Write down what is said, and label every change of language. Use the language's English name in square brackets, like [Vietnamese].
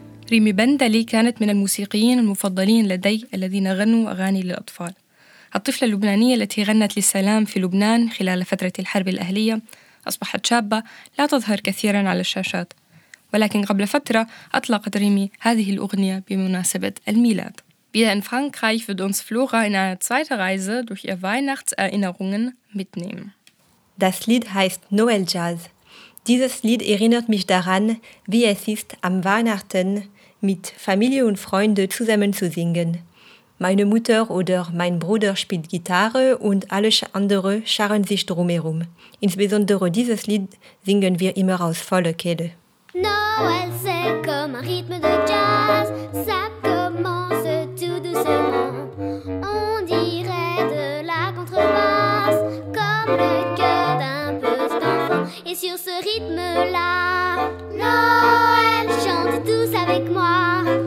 [Arabic] ريمي بندلي كانت من الموسيقيين المفضلين لدي الذين غنوا أغاني للأطفال. الطفلة اللبنانية التي غنت للسلام في لبنان خلال فترة الحرب الأهلية أصبحت شابة لا تظهر كثيراً على الشاشات، ولكن قبل فترة أطلقت ريمي هذه الأغنية بمناسبة الميلاد. [German] Wieder in Frankreich wird uns Flora in eine zweite Reise durch ihr Weihnachtserinnerungen mitnehmen. Das Lied heißt Noel Jazz. Dieses Lied erinnert mich daran, wie es ist, am Weihnachten mit Familie und Freunden zusammen zu singen. Meine Mutter oder mein Bruder spielt Gitarre und alle anderen scharren sich drumherum. Insbesondere dieses Lied singen wir immer aus voller Kehle. [French] Noël, c'est comme un rythme de jazz, ça commence tout doucement. On dirait de la contrebasse, comme le cœur d'un petit enfant. Et sur ce rythme-là, Noël, chante tous avec moi.